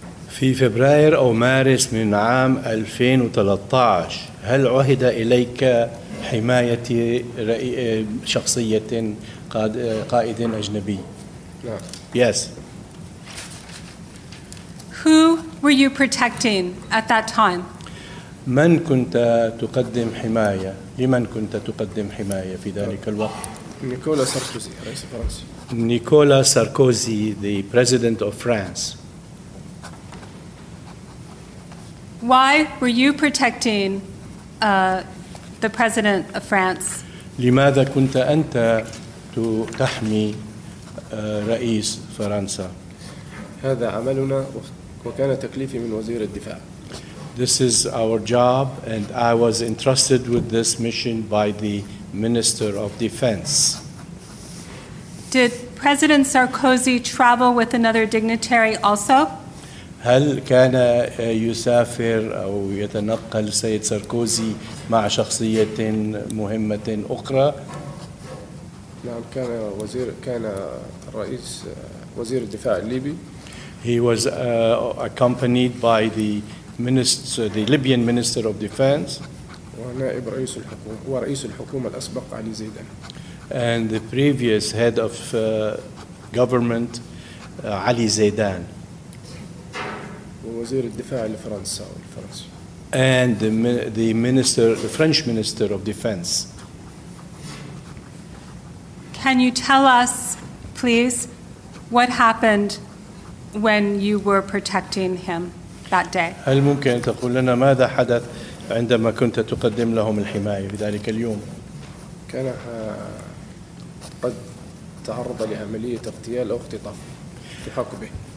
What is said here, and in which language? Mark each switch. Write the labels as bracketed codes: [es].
[ar] في فبراير أو مارس من عام 2013 هل عهد إليك حماية شخصية قائد أجنبي؟ لا. [en] Yes. Who were you protecting at that time? [ar] من كنت تقدم حماية؟ لمن كنت تقدم حماية في ذلك الوقت؟ نيكولا ساركوزي رئيس فرنسا. [en] Nicolas Sarkozy the president of France. Why were you protecting the president of France? [ar] لماذا كنت أنت تحمي رئيس فرنسا؟ هذا عملنا وكان تكليفي من وزير الدفاع. [en] This is our job and I was entrusted with this mission by the Minister of Defense. Did President Sarkozy travel with another dignitary also? [ar] هل كان يسافر أو يتنقل سيد ساركوزي مع شخصية مهمة أخرى؟ نعم كان وزير كان الرئيس وزير الدفاع الليبي. [en] He was accompanied by the Libyan Minister of Defense. [ar] ونائب رئيس الحكومة ورئيس الحكومة الأسبق علي زيدان. [en] And the previous head of government علي زيدان. [ar] وزير الدفاع الفرنسي [en] and the minister the French minister of defense. Can you tell us please what happened when you were protecting him that day? [ar] هل ممكن تقول لنا ماذا حدث عندما كنت تقدم لهم الحماية في ذلك اليوم؟ كان قد تعرض لعملية اغتيال أو اختطاف في حقبة.